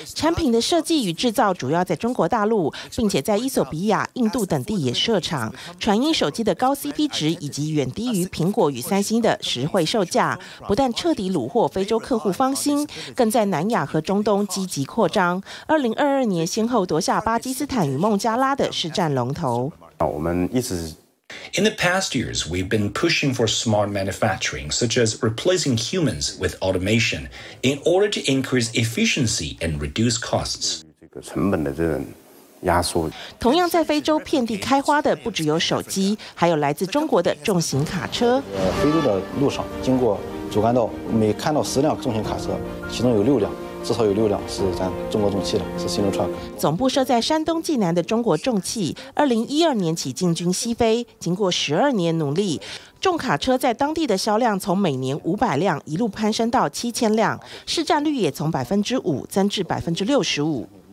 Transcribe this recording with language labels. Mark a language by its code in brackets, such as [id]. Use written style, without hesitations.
[zh] 产品的设计与制造主要在中国大陆，并且在伊索比亚、印度等地也设厂。传音手机的高 CP 值以及远低于苹果与三星的实惠售价，不但彻底虏获非洲客户芳心，更在南亚和中东积极扩张。 2022年先后夺下巴基斯坦与孟加拉的市占龙头。我们一直。 [en] In the past years, we've been pushing for smart manufacturing, such as replacing humans with automation, in order to increase efficiency and reduce costs. [zh] 同样在非洲遍地开花的不只有手机，还有来自中国的重型卡车。非洲的路上经过主干道，每看到10辆重型卡车，其中有6辆。至少有6辆是咱中国重汽的，是 Sinotruck。总部设在山东济南的中国重汽，2012年起进军西非，经过12年努力，重卡车在当地的销量从每年500辆一路攀升到7000辆，市占率也从5%增至65%。